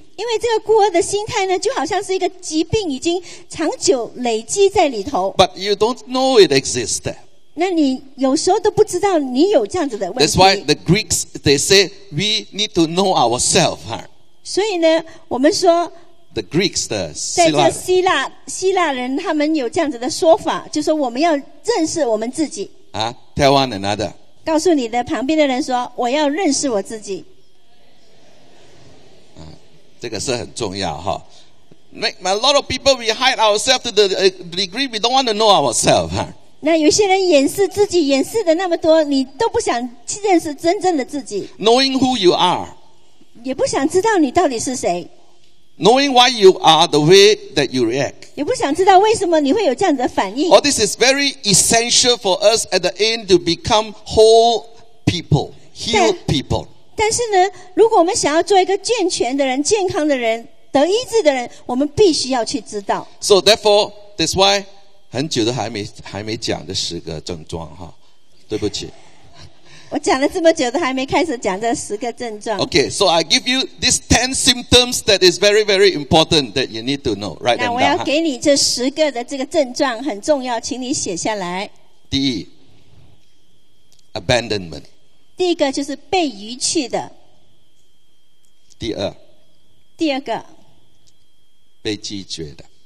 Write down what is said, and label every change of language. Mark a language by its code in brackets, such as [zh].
[zh] 因为这个孤儿的心态呢，就好像是一个疾病，已经长久累积在里头。 [en] But you don't know it exists. [zh] 那你有时候都不知道你有这样子的问题。 [en] That's why the Greeks they say we need to know ourselves.、Huh? [zh] 所以呢，我们说 [en] the Greeks 的 [zh] 在这希腊人他们有这样子的说法，就说我们要认识我们自己。 [en] 啊、tell one another. [zh] 告诉你的旁边的人说，我要认识我自己。这个是很重要哈。 [en] A lot of people we hide ourselves to the degree we don't want to know ourselves.、Huh? [zh] 那有些人掩饰自己，掩饰的那么多，你都不想去认识真正的自己。 [en] Knowing who you are， [zh] 也不想知道你到底是谁。 [en] Knowing why you are the way that you react， [zh] 也不想知道为什么你会有这样的反应。 [en] All this is very essential for us at the end to become whole people, healed people. [zh] 但是呢，如果我们想要做一个健全的人、健康的人、得医治的人，我们必须要去知道。 [en] So therefore, that's why. [zh] 很久都还没讲这十个症状哈，对不起。我讲了这么久都还没开始讲这十个症状。 [en] Okay, so I give you these 10 symptoms that is very, very important that you need to know. Write them down. [zh] 那我要给你这十个的这个症状很重要，请你写下来。第一 ，abandonment。第一个就是被遗弃的。第二个。被拒绝的。